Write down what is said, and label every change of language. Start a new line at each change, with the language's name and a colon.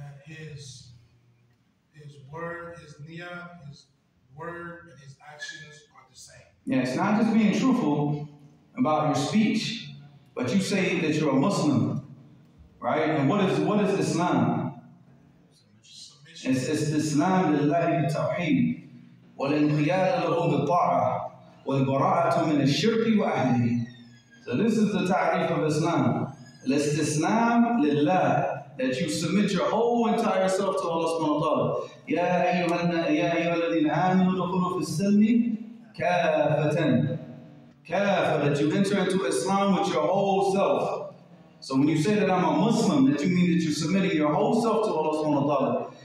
English: his word, his niyyah, his word, and his actions are the same. Yeah, it's not just being truthful about your speech, but you say that you're a Muslim, right? And what is Islam? It's Islam
Arabic: lillahi bitawheed. والانقياد له بالطاعة والبراءة من الشرك وأهله.
English: So this is the ta'rif of Islam.
Arabic: الاستسلام لله.
English: That you submit your whole entire self to Allah subhanahu wa ta'ala.
Arabic: يا أيها الذين آمنوا دخلوا في السلم كافة. كافة.
English: That you enter into Islam with your whole self. So when you say that I'm a Muslim, that you mean that you're submitting your whole self to Allah subhanahu wa ta'ala.